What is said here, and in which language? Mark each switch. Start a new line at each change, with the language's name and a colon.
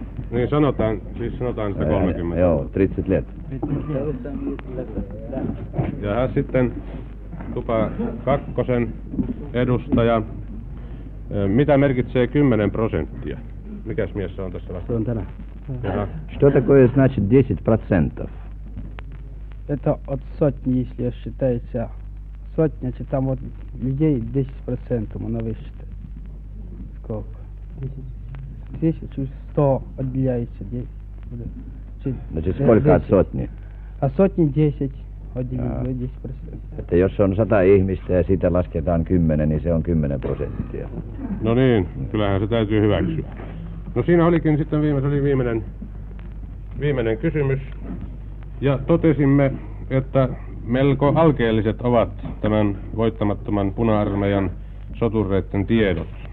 Finnish: Niin sanotaan, siis sanotaan, että 30. Joo,
Russian: 30 let.
Finnish: Ja sitten tupa 2. edustaja. Mitä merkitsee 10%? Mikäs mies se on tässä vastaan? Se on tänä.
Russian: Что такое значит 10%? Это от сотни, если считается. Сотня, значит, там вот людей 10% оно высчитает. Сколько? 10 100 отделяется. 10. Значит, сколько 10. От сотни? От сотни 10.
Finnish: Ja. Että jos on 100 ihmistä ja siitä lasketaan 10, niin se on 10%. No niin, kyllähän se täytyy hyväksyä. No siinä olikin sitten viimeinen kysymys. Ja totesimme, että melko alkeelliset ovat tämän voittamattoman puna-armeijan sotureiden tiedot.